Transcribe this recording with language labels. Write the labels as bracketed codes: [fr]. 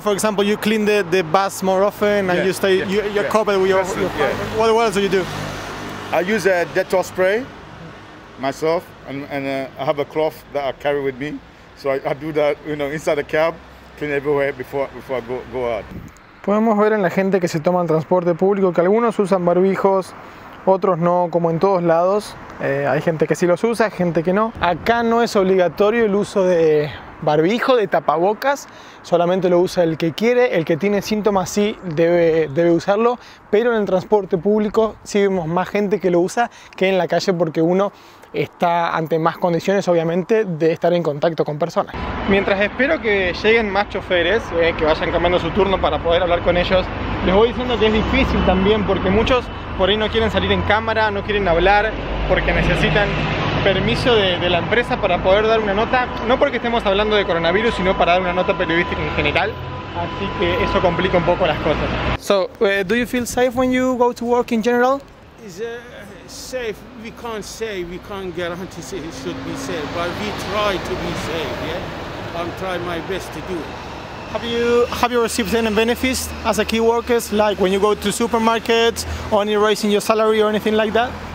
[en] For example, you clean the bus more often, and you stay you're covered with your What else do you do? I use a Dettol spray myself, and I have a cloth that I carry with me. So I do that, you know, inside the cab, clean everywhere before I go out. [es] Podemos ver en la gente que se toma el transporte público que algunos usan barbijos, otros no, como en todos lados. Hay gente que sí los usa, gente que no. Acá no es obligatorio el uso de barbijo, de tapabocas. Solamente lo usa el que quiere. El que tiene síntomas sí debe usarlo. Pero en el transporte público sí vemos más gente que lo usa que en la calle, porque uno está ante más condiciones, obviamente, de estar en contacto con personas. Mientras espero que lleguen más choferes, que vayan cambiando su turno para poder hablar con ellos, les voy diciendo que es difícil también, porque muchos por ahí no quieren salir en cámara, no quieren hablar, porque necesitan permiso de la empresa para poder dar una nota. No porque estemos hablando de coronavirus, sino para dar una nota periodística en general. Así que eso complica un poco las cosas. [en] So, do you feel safe when you go to work in general? Safe, we can't say, we can't guarantee it should be safe, but we try to be safe, yeah? I'm trying my best to do it. Have you received any benefits as a key worker, like when you go to supermarkets, or any raise in your salary or anything like that?